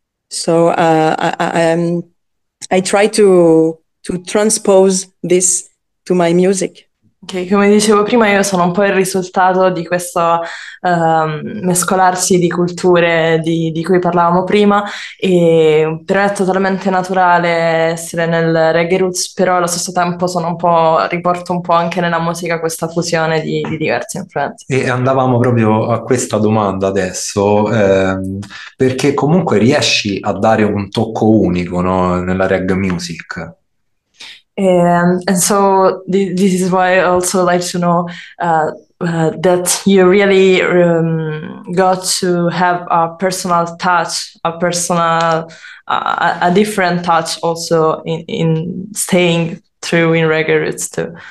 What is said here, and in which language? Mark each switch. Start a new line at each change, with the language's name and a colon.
English: So I try to transpose this to my music.
Italian: Okay, come dicevo prima, io sono un po' il risultato di questo mescolarsi di culture di cui parlavamo prima, e per me è totalmente naturale essere nel reggae roots, però allo stesso tempo sono un po', riporto un po' anche nella musica questa fusione di diverse influenze. E andavamo proprio a questa domanda adesso, perché comunque riesci a dare un tocco unico, no, nella reggae music?
English: And so this is why I also like to know that you really got to have a personal touch, a personal, a different touch also in staying true in reggae roots too.